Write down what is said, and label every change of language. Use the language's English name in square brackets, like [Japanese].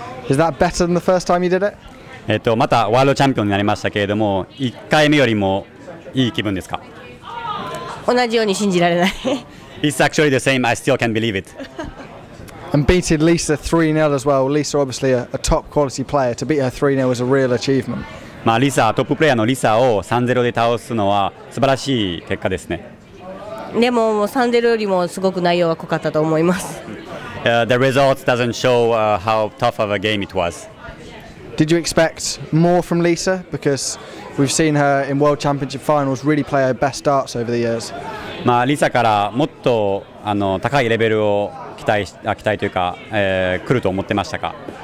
[English] Is that better than the first time you did it? [Japanese] またワールドチャンピオンになりましたけれども、1回目よりもいい気分ですか？同じように信じられない。 [English] It's actually the same. I still can't believe it. And beating Lisa 3-0 as well. Lisa obviously a top quality player. To beat her 3-0 was a real achievement. [Japanese] まあ、リサ、トッププレイヤーのリサを 3-0 で倒すのは素晴らしい結果ですね。でも、3-0 よりもすごく内容は濃かったと思います。 [English] The results doesn't show how tough of a game it was. Did you expect more from Lisa? Because we've seen her in World Championship finals really play her best darts over the years. [Japanese] まあ、リサからもっと高いレベルを期待というか、来ると思ってましたか？